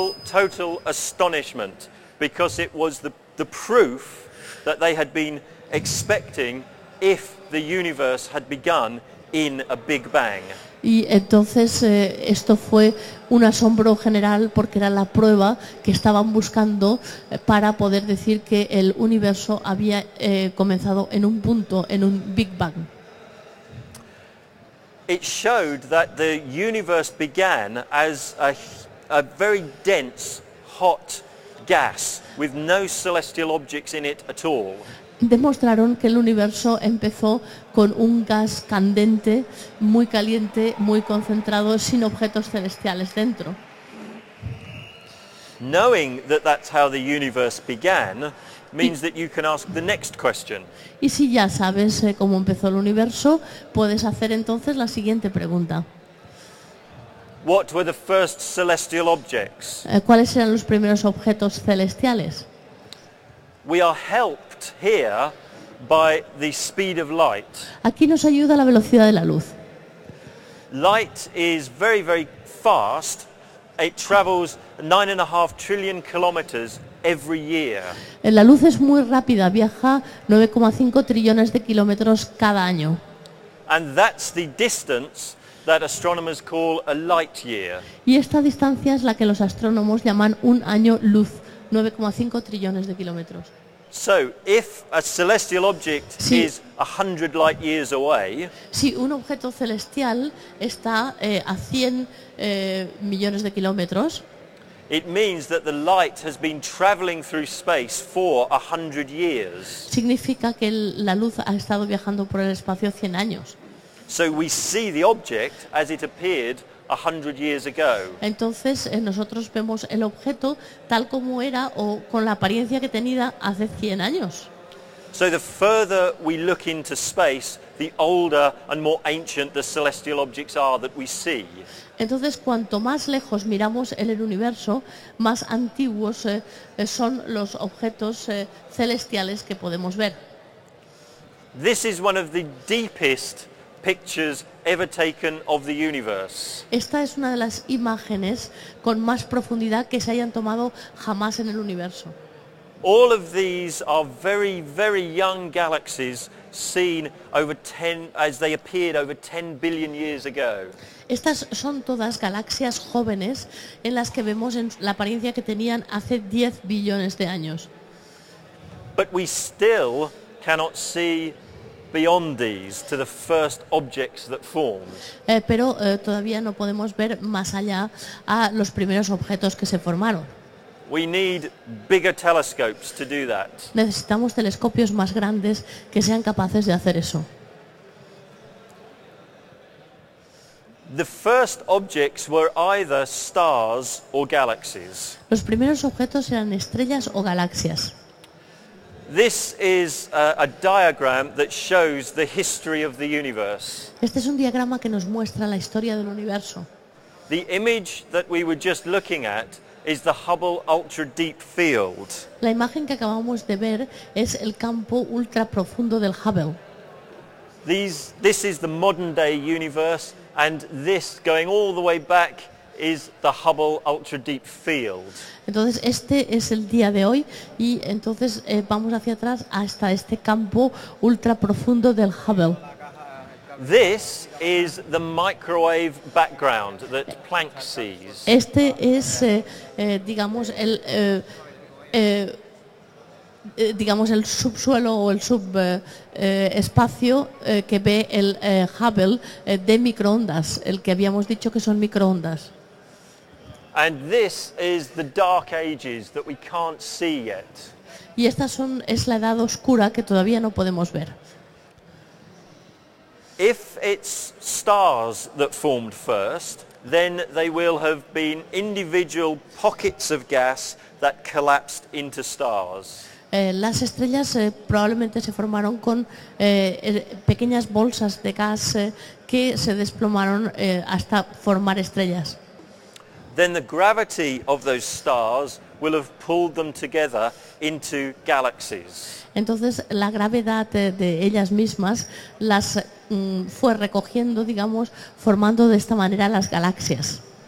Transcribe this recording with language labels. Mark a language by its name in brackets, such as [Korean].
[English] Total astonishment, because it was the proof that they had been expecting if the universe had begun in a big bang. [Spanish] Y entonces esto fue un asombro general porque era la prueba que estaban buscando para poder decir que el universo había comenzado en un punto, en un big bang. [English] It showed that the universe began as a very dense, hot gas with no celestial objects in it at all. [Spanish] Demostraron que el universo empezó con un gas candente, muy concentrado, sin objetos celestiales dentro. [English] Knowing that that's how the universe began means that you can ask the next question. [Spanish] Y si ya sabes cómo empezó el universo, puedes hacer entonces la siguiente pregunta. [English] What were the first celestial objects? [Spanish] ¿Cuáles eran los primeros objetos celestiales? [English] We are helped here by the speed of light. [Spanish] Aquí nos ayuda la velocidad de la luz. [English] Light is very, very fast. It travels 9.5 trillion kilometers every year. [Spanish] La luz es muy rápida, viaja 9,5 trillones de kilómetros cada año. [English] And that's the distance that astronomers call a light year. [Spanish] Y esta distancia es la que los astrónomos llaman un año luz, 9,5 trillones de kilómetros. [English] So, if a celestial object is 100 light years away, [Spanish] si un objeto celestial está a 100 millones de kilómetros, [English] it means that the light has been traveling through space for 100 years. [Spanish] Significa que la luz ha estado viajando por el espacio 100 años. [English] So we see the object as it appeared 100 years ago. [Spanish] Entonces nosotros vemos el objeto tal como era o con la apariencia que tenía hace 100 años. [English] So the further we look into space, the older and more ancient the celestial objects are that we see. [Spanish] Entonces cuanto más lejos miramos en el universo, más antiguos son los objetos celestiales que podemos ver. [English] This is one of the deepest pictures ever taken of the universe. [Spanish] Esta es una de las imágenes con más profundidad que se hayan tomado jamás en el universo. [English] All of these are very, very young galaxies seen over 10, as they appeared over 10 billion years ago. [Spanish] Estas son todas galaxias jóvenes en las que vemos en la apariencia que tenían hace 10 billones de años. [English] But we still cannot see beyond these to the first objects that formed. [Spanish] Pero todavía no podemos ver más allá a los primeros objetos que se formaron. [English] We need bigger telescopes to do that. [Spanish] Necesitamos telescopios más grandes que sean capaces de hacer eso. [English] The first objects were either stars or galaxies. [Spanish] Los primeros objetos eran estrellas o galaxias. [English] This is a diagram that shows the history of the universe. [Spanish] Este es un diagrama que nos muestra la historia del universo. [English] The image that we were just looking at is the Hubble Ultra Deep Field. [Spanish] La imagen que acabamos de ver es el campo ultra profundo del Hubble. [English] This is the modern day universe, and this going all the way back is the Hubble Ultra Deep Field. [Spanish] Entonces este es el día de hoy y entonces vamos hacia atrás hasta este campo ultra profundo del Hubble. [English] This is the microwave background that Planck sees. [Spanish] Este es digamos el subsuelo o el subespacio que ve el Hubble de microondas, el que habíamos dicho que son microondas. [English] And this is the dark ages that we can't see yet. [Spanish] Y esta es la edad oscura que todavía no podemos ver. [English] If it's stars that formed first, then they will have been individual pockets of gas that collapsed into stars. [Spanish] Las estrellas probablemente se formaron con pequeñas bolsas de gas que se desplomaron hasta formar estrellas. [English] Then the gravity of those stars will have pulled them together into galaxies. [Spanish] Entonces la gravedad de ellas mismas las fue recogiendo, digamos, formando de esta manera las galaxias.